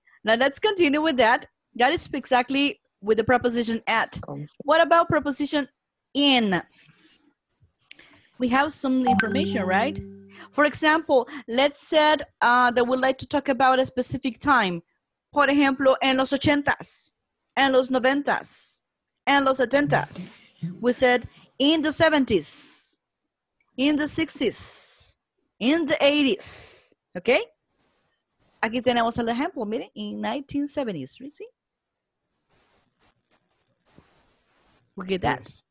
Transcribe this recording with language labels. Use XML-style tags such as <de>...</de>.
<en>Now let's continue with that. That is exactly with the preposition at. What about preposition in? We have some information, right? For example, let's say that we'd like to talk about a specific time.</en> <es>Por ejemplo, en los ochentas, en los noventas, en los setentas.</es> <en>We said in the 70s, in the 60s, in the 80s.</en> <es>Okay? Aquí tenemos el ejemplo, miren,</es> <en>in 1970s. You see? Look at that.</en>